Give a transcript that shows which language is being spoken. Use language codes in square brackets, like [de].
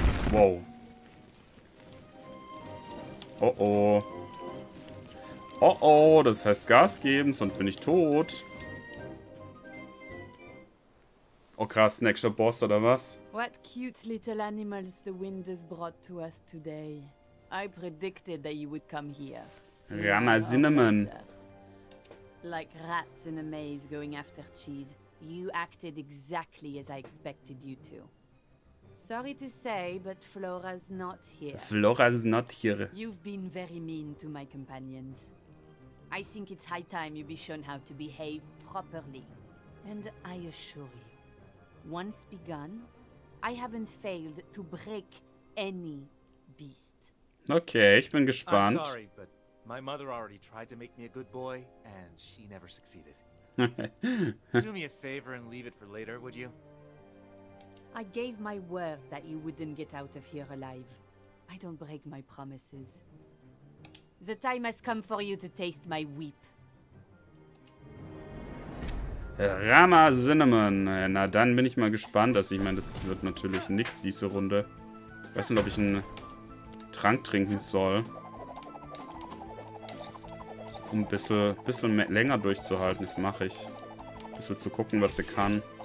[de] Wow. Oh oh. Oh oh, das heißt Gas geben, sonst bin ich tot. Oh krass, nächster Boss oder was? [en] What cute little animals the wind has brought to us today. I predicted that you would come here. Rama Cinnamon. Like rats in a maze going after cheese, you acted exactly as I expected you to. Sorry to say, but Flora's not here. Flora's not here. You've been very mean to my companions. I think it's high time you be shown how to behave properly. And I assure you, once begun, I haven't failed to break any beast. [de] Okay, ich bin gespannt. [en] I'm sorry, but my mother already tried to make me a good boy, and she never succeeded. Do me a favor and leave it for later, would you? I gave my word that you wouldn't get out of here alive. I don't break my promises. The time has come for you to taste my weep. Rama Cinnamon. [de] Na, dann bin ich mal gespannt. Also, ich meine, das wird natürlich nix diese Runde. Ich weiß nicht, ob ich einen Trank trinken soll. Um ein bisschen mehr, länger durchzuhalten. Das mache ich. Ein bisschen zu gucken, was sie kann.